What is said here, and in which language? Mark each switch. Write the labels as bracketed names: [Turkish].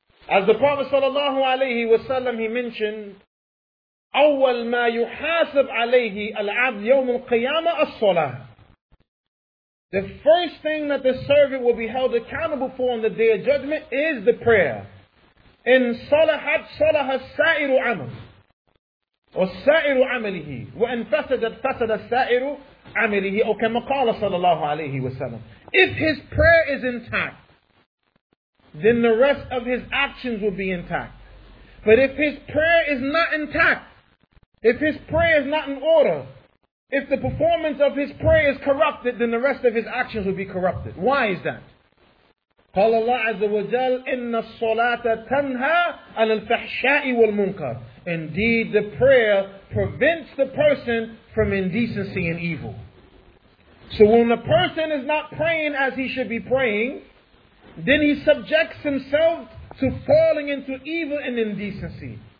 [English] As the Prophet [Arabic] sallallahu alayhi wasallam, [English] he mentioned, [Arabic] أول ما يحاسب عليه العبد يوم القيامة الصلاة. [English] The first thing that the servant will be held accountable for on the Day of Judgment is the prayer. [Arabic] إن صلحت صلح السائر عمل والسائر عمله وإن فسدت فسد السائر عمله أو كما قال صلى الله عليه وسلم. [English] If his prayer is intact, then the rest of his actions will be intact. But if his prayer is not intact, if his prayer is not in order, if the performance of his prayer is corrupted, then the rest of his actions will be corrupted. Why is that? [Arabic] قال الله عز وجل إن الصلاة تنهى عن الفحشاء والمنكر. [English] Indeed, the prayer prevents the person from indecency and evil. So when the person is not praying as he should be praying, then he subjects himself to falling into evil and indecency.